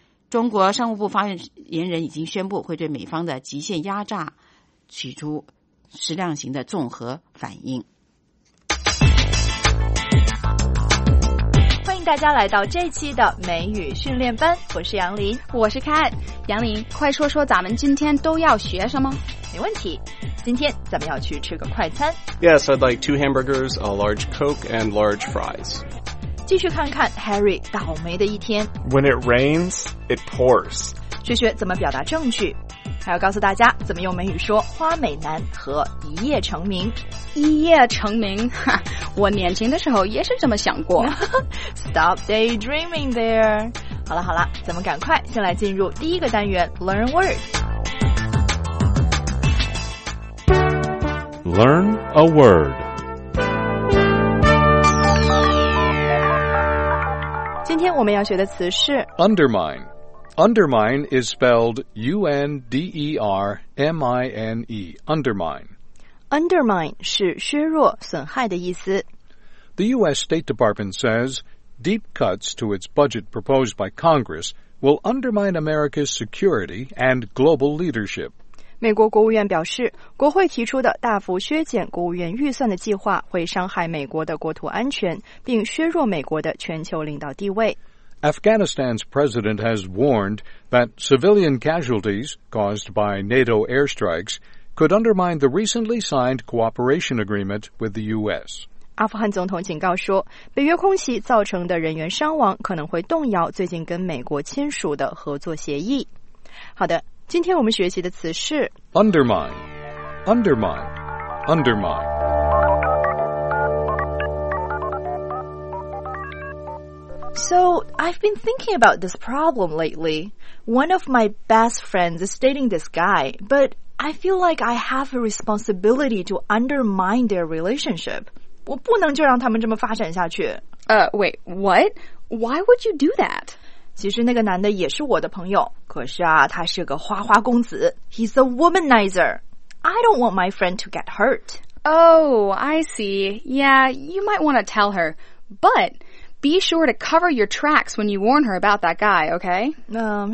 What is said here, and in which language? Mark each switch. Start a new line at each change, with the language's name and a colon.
Chinese: 中国商务部发言人已经宣布会对美方的极限压榨取出适量型的综合反应。迎大家来到这期的美语训练班，我是杨林，我是凯。杨林，快说说咱们今天都要学什么？没问题，今天咱们要去吃个快餐。
English: Yes, I'd like 2 hamburgers, a large Coke, and large fries.
Chinese: 继续看看 Harry 倒霉的一天。
English: When it rains, it pours.
Chinese: 学学怎么表达正句，还要告诉大家怎么用美语说花美男和一夜成名。一夜成名，哈，我年轻的时候也是这么想过。
English: Stop daydreaming there.
Chinese: 好了好了，咱们赶快先来进入第一个单元 Learn Word。
English: Learn a word.
Chinese: 今天我们要学的词是
English: Undermine. Undermine is spelled U-N-D-E-R-M-I-N-E. Undermine.
Chinese: Undermine 是削弱、损害的意思。
English: The U.S. State Department says deep cuts to its budget proposed by Congress will undermine America's security and global leadership.
Chinese: 美国国务院表示，国会提出的大幅削减国务院预算的计划会伤害美国的国土安全，并削弱美国的全球领导地位。
English: Afghanistan's president has warned that civilian casualties caused by NATO airstrikes could undermine the recently signed cooperation agreement with the U.S.
Chinese: 阿富汗总统警告说，北约空袭造成的人员伤亡可能会动摇最近跟美国签署的合作协议。好的。今天我们学习的词是
English: Undermine Undermine Undermine So I've been thinking about this problem lately. One of my best friends is dating this guy, but I feel like I have a responsibility to undermine their relationship.
Chinese: 我不能就让他们这么发展下去。
English: Wait, what? Why would you do that?
Chinese: 其实那个男的也是我的朋友，可是啊，他是个花花公子。
English: He's a womanizer. I don't want my friend to get hurt. Oh, I see. Yeah, you might want to tell her. But be sure to cover your tracks when you warn her about that guy, okay?